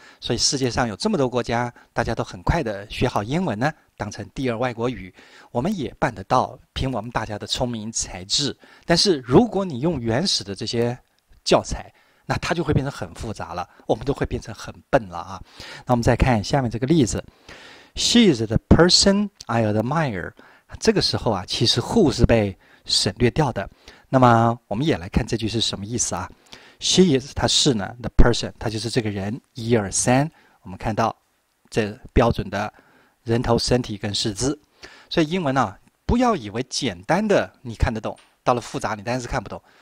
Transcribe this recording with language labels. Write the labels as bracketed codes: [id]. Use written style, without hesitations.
[zh] 所以世界上有这么多国家，大家都很快的学好英文呢，当成第二外国语，我们也办得到，凭我们大家的聪明才智。但是如果你用原始的这些教材，那它就会变成很复杂了，我们都会变成很笨了啊。那我们再看下面这个例子。 [en] She is the person I admire。 [zh] 这个时候啊，其实 who 是被省略掉的。那么我们也来看这句是什么意思啊？ [en] She is， [zh] 她是呢， [en] the person， [zh] 她就是这个人。一二三，我们看到这标准的人头、身体跟四肢。所以英文呢，不要以为简单的你看得懂，到了复杂你当然是看不懂。